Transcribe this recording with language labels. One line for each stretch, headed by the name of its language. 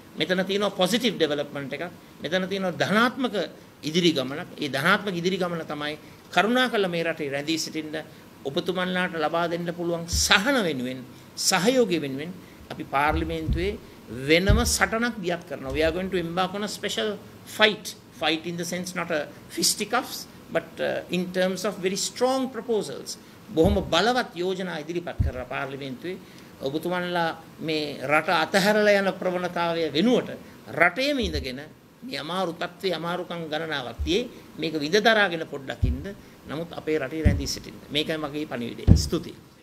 Sinhala: මෙතන තියෙනවා
English: positive development
Sinhala: එකක්. මෙතන තියෙනවා ධනාත්මක ඉදිරි ගමනක්. ඒ ධනාත්මක ඉදිරි ගමන තමයි කරුණාකරලා මේ රටේ රැඳී සිටින්න ඔබතුමන්ලාට ලබා දෙන්න පුළුවන් සහන වෙනුවෙන් සහයෝගය වෙනුවෙන් අපි පාර්ලිමේන්තුවේ වෙනම සටනක් දියත් කරනවා.
English: We are going to embark on a special fight. Fight in the sense not a fisticuffs but in terms of very strong proposals.
Sinhala: බොහොම බලවත් යෝජනා ඉදිරිපත් කරලා පාර්ලිමේන්තුවේ ඔබතුමන්ලා මේ රට අතහැරලා යන ප්‍රවණතාවය වෙනුවට රටේම ඉඳගෙන මේ අමාරු තත්ත්වයේ අමාරුකම් ගණනාවක් තියේ මේක විඳ දරාගෙන පොඩ්ඩක් ඉන්න. නමුත් අපේ රටේ රැඳී සිටින්න. මේකයි මගේ පණිවිඩය. ස්තුතියි.